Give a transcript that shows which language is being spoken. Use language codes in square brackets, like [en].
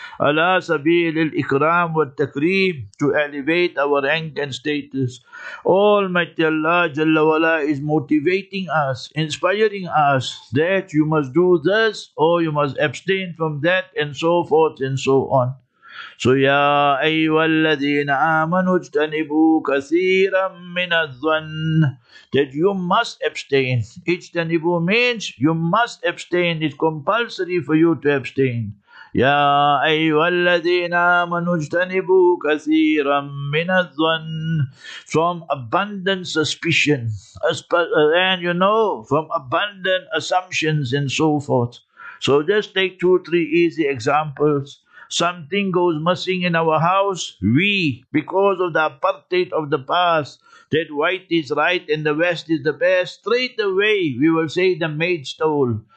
[ar] Ala sabilil ikram wa takreem, [en] to elevate our rank and status. Almighty Allah Jalla Wala is motivating us, inspiring us, that you must do this or you must abstain from that and so forth and so on. [ar] So يَا أَيُّوَا الَّذِينَ آمَنُوا اجْتَنِبُوا كَثِيرًا مِّنَ الظَّنِّ, [en] that you must abstain. [ar] اجْتَنِبُوا [en] means you must abstain. It's compulsory for you to abstain. [ar] يَا أَيُّوَا الَّذِينَ آمَنُوا اجْتَنِبُوا كَثِيرًا مِّنَ الظَّنِّ, [en] from abundant suspicion. And you know, from abundant assumptions and so forth. So just take 2-3 easy examples. Something goes missing in our house, we, because of the apartheid of the past, that white is right and the west is the best, straight away we will say the maid stole.